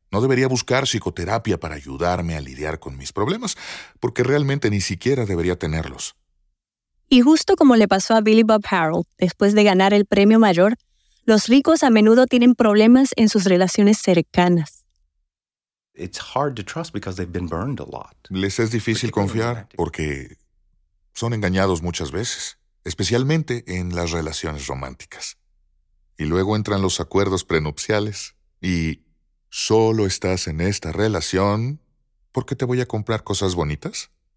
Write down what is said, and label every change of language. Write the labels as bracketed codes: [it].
[es] No debería buscar psicoterapia para ayudarme a lidiar con mis problemas, porque realmente ni siquiera debería tenerlos. Y justo como le pasó a Billy Bob Harrell, después de ganar el premio mayor, los ricos a menudo tienen problemas en sus relaciones cercanas. [en] It's hard to trust because they've been burned a lot. [es] Les es difícil confiar porque son engañados muchas veces, especialmente en las relaciones románticas. Y luego entran los acuerdos prenupciales y solo estás en esta relación porque te voy a comprar cosas bonitas.